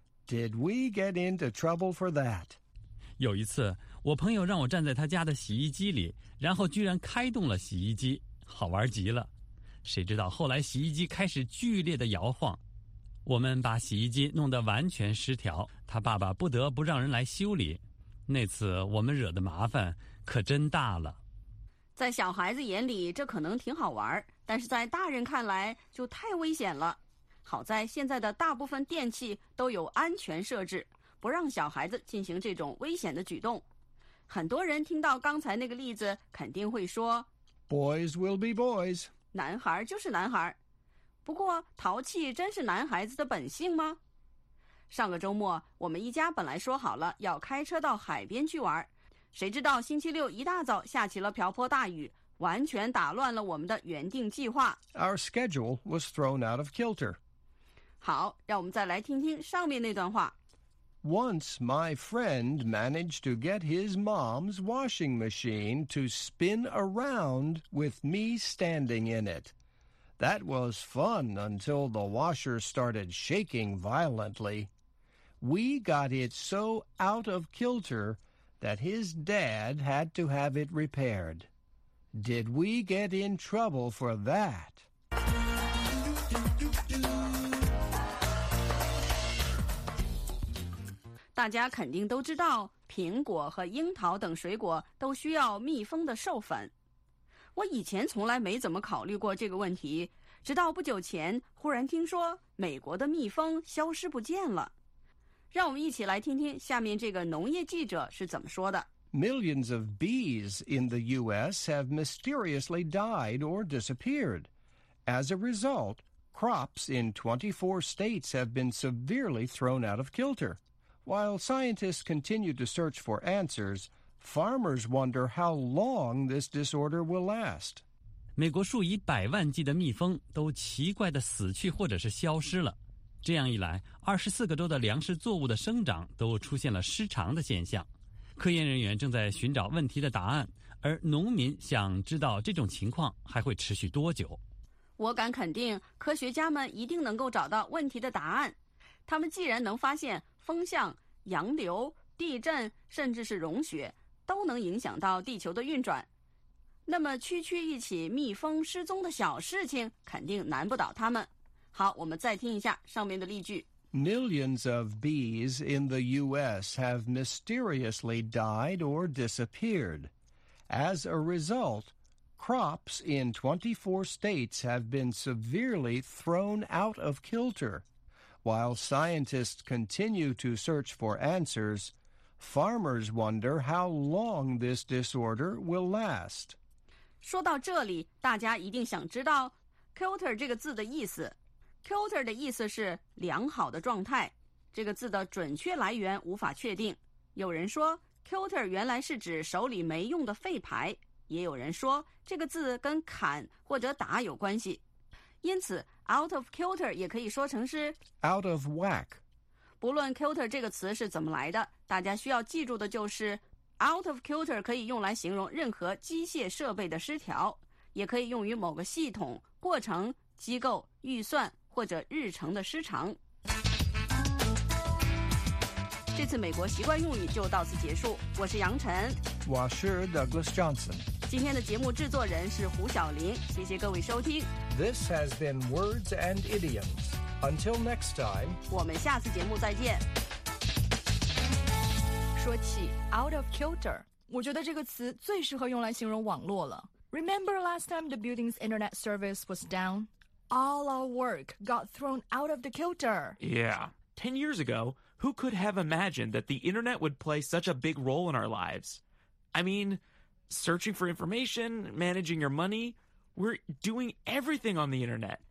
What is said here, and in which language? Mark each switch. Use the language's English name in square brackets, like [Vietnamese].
[English] Did we get into trouble for that? [Chinese] 有一次我朋友让我站在他家的洗衣机里，然后居然开动了洗衣机，好玩极了。谁知道后来洗衣机开始剧烈的摇晃，我们把洗衣机弄得完全失调，他爸爸不得不让人来修理。那次我们惹的麻烦可真大了。在小孩子眼里这可能挺好玩，但是在大人看来就太危险了。好在现在的大部分电器都有安全设置，不让小孩子进行这种危险的举动。很多人听到刚才那个例子肯定会说 [English] Boys will be boys. [Chinese] 男孩就是男孩。不过淘气真是男孩子的本性吗？上个周末我们一家本来说好了要开车到海边去玩，谁知道星期六一大早下起了瓢泼大雨，完全打乱了我们的原定计划。 [English] Our schedule was thrown out of kilter. [Chinese] 好，让我们再来听听上面那段话。 [English] Once my friend managed to get his mom's washing machine to spin around with me standing in it. That was fun until the washer started shaking violently. We got it so out of kilter that his dad had to have it repaired. Did we get in trouble for that? [Chinese] 大家肯定都知道，苹果和樱桃等水果都需要密封的授粉。我以前从来没怎么考虑过这个问题，直到不久前忽然听说美国的蜜蜂消失不见了。让我们一起来听听下面这个农业记者是怎么说的。 [English] Millions of bees in the U.S. have mysteriously died or disappeared. As a result, crops in 24 states have been severely thrown out of kilter. While scientists continue to search for answers, farmers wonder how long this disorder will last. [Chinese] 美国数以百万计的蜜蜂都奇怪地死去或者是消失了。这样一来，24个州的粮食作物的生长都出现了失常的现象。科研人员正在寻找问题的答案，而农民想知道这种情况还会持续多久。我敢肯定，科学家们一定能够找到问题的答案。他们既然能发现风向、洋流、地震，甚至是融雪，都能影响到地球的运转。那么，区区一起蜜蜂失踪的小事情，肯定难不倒他们。好，我们再听一下上面的例句。 [English] Millions of bees in the U.S. have mysteriously died or disappeared. As a result, crops in 24 states have been severely thrown out of kilter. While scientists continue to search for answers, farmers wonder how long this disorder will last. [Chinese] 说到这里，大家一定想知道 kilter 这个字的意思。 kilter 的意思是良好的状态。这个字的准确来源无法确定。有人说 kilter 原来是指手里没用的废牌，也有人说这个字跟砍或者打有关系。因此 out of kilter 也可以说成是 [English] out of whack。 [Chinese] 不论 kilter 这个词是怎么来的，大家需要记住的就是 out of kilter 可以用来形容任何机械设备的失调，也可以用于某个系统、过程、机构、预算或者日程的失常。这次美国习惯用语就到此结束，我是杨晨，我是 Douglas Johnson。今天的节目制作人是胡晓林，谢谢各位收听。 [English] This has been Words and Idioms. Until next time. [Chinese] 我们下次节目再见。说起 out of kilter, 我觉得这个词最适合用来形容网络了。 [English] Remember last time the building's internet service was down? All our work got thrown out of the kilter. Yeah. 10 years ago, who could have imagined that the internet would play such a big role in our lives? I mean... Searching for information, managing your money, we're doing everything on the internet.